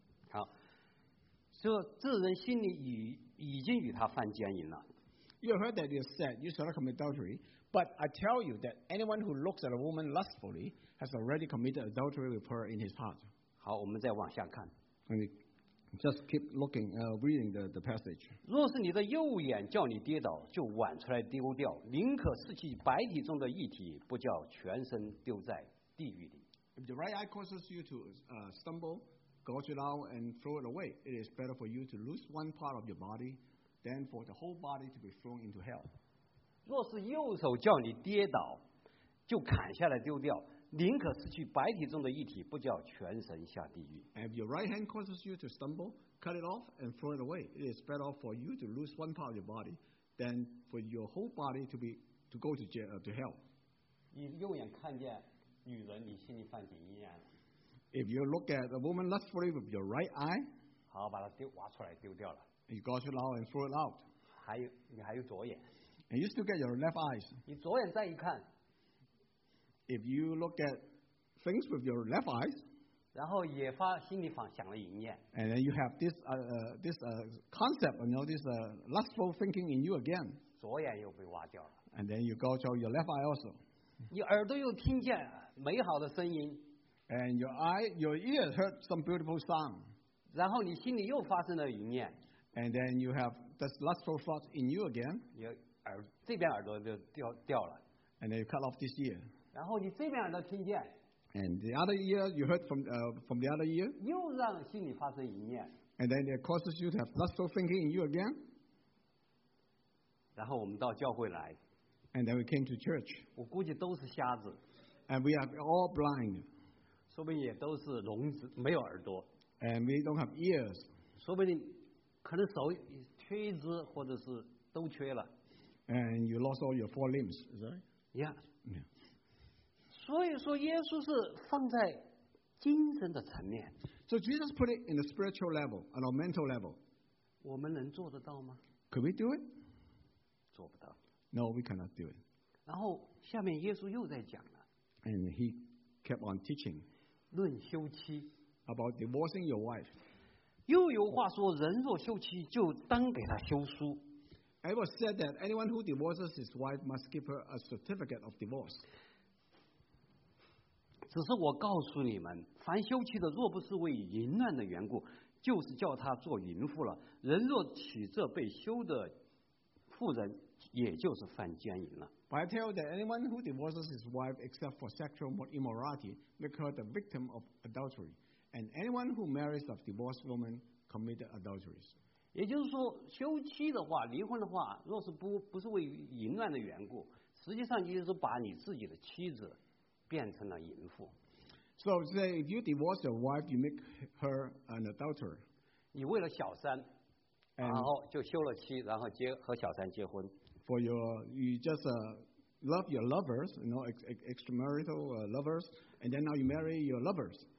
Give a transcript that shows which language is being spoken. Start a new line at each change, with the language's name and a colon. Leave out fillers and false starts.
Chinese: 好，说这人心里已经与他犯奸淫了。
English: You heard that you said you shall not commit adultery, but I tell you that anyone who looks at a woman lustfully has already committed adultery with her in his heart.
Chinese: 好，我们再往下看。
English: Just keep looking, reading the passage.
Chinese: 若是你的右眼叫你跌倒，就挽出来丢掉，宁可失去白体中的一体，不叫全身丢在地狱里。
English: If the right eye causes you to stumble, gouge it out and throw it away. It is better for you to lose one part of your body than for the whole body to be thrown into hell.
Chinese: 若是右手叫你跌倒，就砍下来丢掉。宁可失去白体中的一体，不叫全身下地狱。
English: If your right hand causes you to stumble, cut it off and throw it away. It is better for you to lose one part of your body than for your whole body to go to hell.
Chinese: 你右眼看见女人，你心里犯淫念。
English: If you look at a woman lustfully with your right eye,
Chinese: 好，把它丢挖出来丢掉了。
English: You got it out and throw it out.
Chinese: 你还有左眼。
English: And you still get your left eyes.
Chinese: 你左眼再一看。
English: If you look at things with your left eyes,
Chinese: 然后也发心里想了淫念
English: and then you have this concept, you know, this lustful thinking in you again.
Chinese: 左眼又被挖掉了
English: and then you gouge out your left eye also.
Chinese: 你耳朵又听见美好的声音
English: and your ears heard some beautiful song.
Chinese: 然后你心里又发生了淫念
English: and then you have this lustful thought in you again.
Chinese: 这边耳朵就掉了
English: and then you cut off this ear.
Chinese: 然后你这边耳朵听见
English: ，and the other ear you heard from the other ear，
Chinese: 又让心里发生淫念
English: ，and then it causes you to have lustful thinking in you again。
Chinese: 然后我们到教会来
English: ，and then we came to church。
Chinese: 我估计都是瞎子
English: ，and we are all blind。
Chinese: 说不定也都是聋子，没有耳朵
English: ，and we don't have ears。
Chinese: 说不定可能手缺一只，或者是都缺了
English: ，and you lost all your four limbs， is that right？ Yeah。 Yeah。
Chinese: 所以说耶稣是放在精神的层面
English: So Jesus put it in a spiritual level and a mental level
Chinese: 我们能做得到吗
English: Could we do it?
Chinese: 做不到
English: No, we cannot do it
Chinese: 然后下面耶稣又在讲了
English: And he kept on teaching
Chinese: 论休妻
English: About divorcing your wife
Chinese: 又有话说人若休妻就当给他休书
English: It was said that anyone who divorces his wife must give her a certificate of divorce
Chinese: 只是我告诉你们，凡休妻的，若不是为淫乱的缘故，就是叫他做淫妇了。人若娶这被休的妇人，也就是犯奸淫了。
English: But I tell that anyone who divorces his wife except for sexual immorality make her the victim of adultery, and anyone who marries a divorced woman committed adultery.
Chinese: 也就是说，休妻的话，离婚的话，若是不是为淫乱的缘故，实际上就是把你自己的妻子。变成了淫妇。
English: So say if you divorce your wife, you make her an adulterer.
Chinese: 你为了小三，
English: and、
Chinese: 然后就休了妻，然后和小三结婚。
English: For you just love your lovers, you know, extramarital lovers, and then now you marry your lovers.